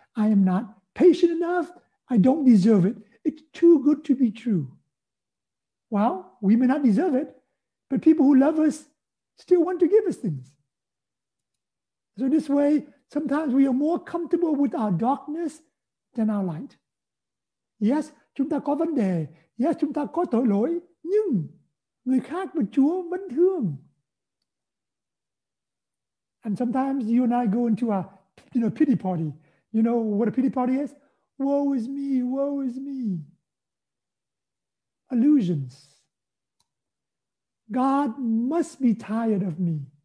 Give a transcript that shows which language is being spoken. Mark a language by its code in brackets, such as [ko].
[en] I am not patient enough. I don't deserve it. It's too good to be true. Well, we may not deserve it, but people who love us still want to give us things. So this way, sometimes we are more comfortable with our darkness than our light. [vi] Yes, chúng ta có vấn đề. Yes, chúng ta có tội lỗi. Nhưng người khác và Chúa vẫn thương. [en] And sometimes you and I go into a, you know, pity party. You know what a pity party is? Woe is me, woe is me. Illusions. God must be tired of me.